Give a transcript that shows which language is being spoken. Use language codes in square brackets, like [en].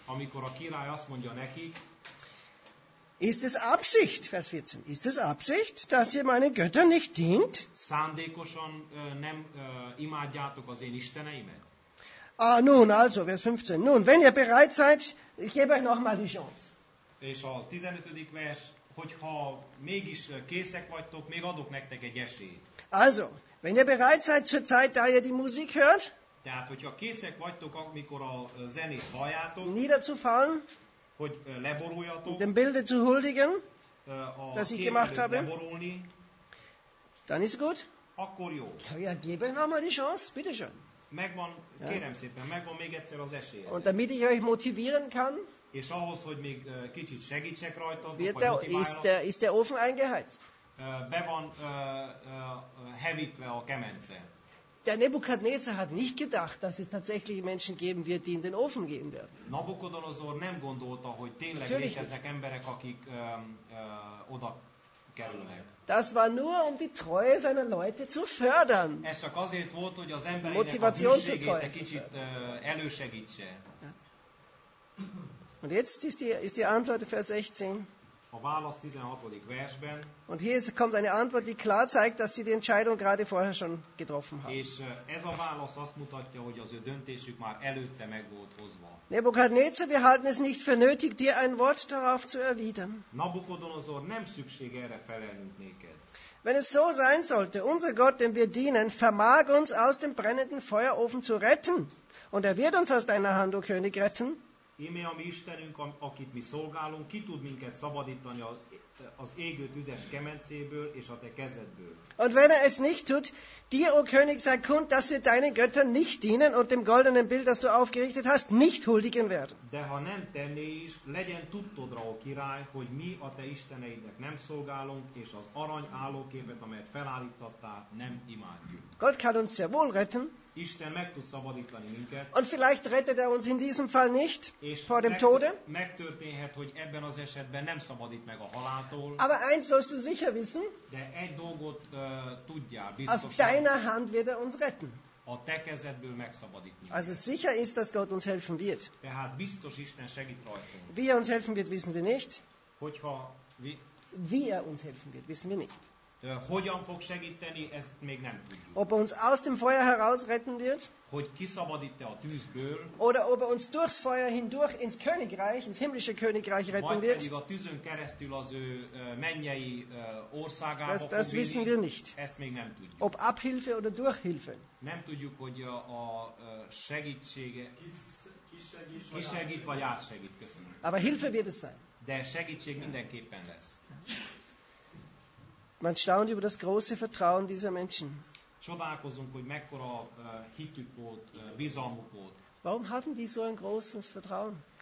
[hu] Amikor a király azt mondja neki. [de] Ist es Absicht, Vers 14, ist es Absicht, dass ihr meinen Göttern nicht dient? [hu] Szándékosan nem imádjátok az én isteneimet? [de] Ah, nun, also, Vers 15. Nun, wenn ihr bereit seid, ich gebe euch nochmal die Chance. [hu] És a 15. vers. Hogyha mégis készek vagytok, még adok nektek egy esélyt. [de] Also, wenn ihr bereit seid zur Zeit, da ihr die Musik hört, [hu] tehát, hogyha készek vagytok, amikor a zenét halljátok, [de] niederzufallen, [hu] hogy leboruljatok. [de] Dem Bilde zu huldigen, das ich gemacht habe. Leborulni. Dann ist gut. [hu] Akkor jó. [de] Ja, geben wir mal die Chance, bitteschön. [hu] Megvan, kérem szépen, megvan még egyszer az esélyed. [de] Und damit ich euch motivieren kann, [hu] és ahhoz, hogy még kicsit segítsek rajtad, [de] ist der Ofen eingeheizt. [hu] Be van hevítve a kemence. [de] Der Nebukadnezar hat nicht gedacht, dass es tatsächlich Menschen geben wird, die in den Ofen gehen werden. [hu] Nabukodonosor nem gondolta, hogy tényleg léteznek emberek, akik oda kerülnek. [de] Das war nur, um die Treue seiner Leute zu fördern. [hu] Ez csak azért volt, hogy az embereinek a hűségét kicsit elősegítse. [de] Und jetzt ist die Antwort Vers 16. [hu] A válasz 16. versben. [de] Und hier kommt eine Antwort, die klar zeigt, dass sie die Entscheidung gerade vorher schon getroffen haben. [hu] És ez a válasz azt mutatja, hogy az ő döntésük már előtte meg volt hozva. [de] Nebukadnezar, wir halten es nicht für nötig, dir ein Wort darauf zu erwidern. [hu] Nabukodonosor, nem szükség erre felelnünk néked. [de] Wenn es so sein sollte, unser Gott, dem wir dienen, vermag uns aus dem brennenden Feuerofen zu retten. Und wird uns aus deiner Hand, o König, retten. [hu] Íme a mi Istenünk, akit mi szolgálunk, ki tud minket szabadítani az égő tüzes kemencéből és a te kezedből. [de] Und wenn es nicht tut, dir, o König, sei kund, dass wir deine Götter nicht dienen und dem goldenen Bild, das du aufgerichtet hast, nicht huldigen werden. [hu] De ha nem tenné is, legyen tudtodra, o király, hogy mi a te isteneidnek nem szolgálunk, és az arany állóképet, amelyet felállítottál, nem imádjuk. [de] Gott kann uns sehr wohl retten. [hu] Isten meg tud szabadítani minket. [de] Und vielleicht rettet uns in diesem Fall nicht vor dem Tode. [hu] Megtörténhet, hogy ebben az esetben nem szabadít meg a haláltól. [de] Aber eins sollst du sicher wissen. [hu] De egy dolgot tudjál biztosan. [de] Aus deiner Hand wird uns retten. [hu] A te kezedből megszabadít minket. [de] Also sicher ist, dass Gott uns helfen wird. [hu] Tehát biztos Isten segít rajtunk. [de] Wie uns helfen wird, wissen wir nicht. Wie uns helfen wird, wissen wir nicht. [hu] Hogyan fog segíteni, ezt még nem tudjuk. [de] Ob uns aus dem Feuer heraus retten wird, [hu] hogy kiszabadít-e a tűzből, [de] oder ob uns durchs Feuer hindurch ins Königreich, ins himmlische Königreich retten [hu] wird, vagy pedig a tűzön keresztül az ő mennyei országába fog vinni, [de] wissen wir nicht. [hu] Ezt még nem tudjuk. [de] Ob Abhilfe oder Durchhilfe. [hu] Nem tudjuk, hogy a segítsége kisegít vagy átsegít, köszönöm. [de] Aber Hilfe wird es sein. [hu] De segítség mindenképpen lesz. [de] Man staunt über das große Vertrauen dieser Menschen. [hu] Csodálkozunk, hogy mekkora hitük volt, bizalmuk volt. [de] Warum hatten die so ein großes Vertrauen?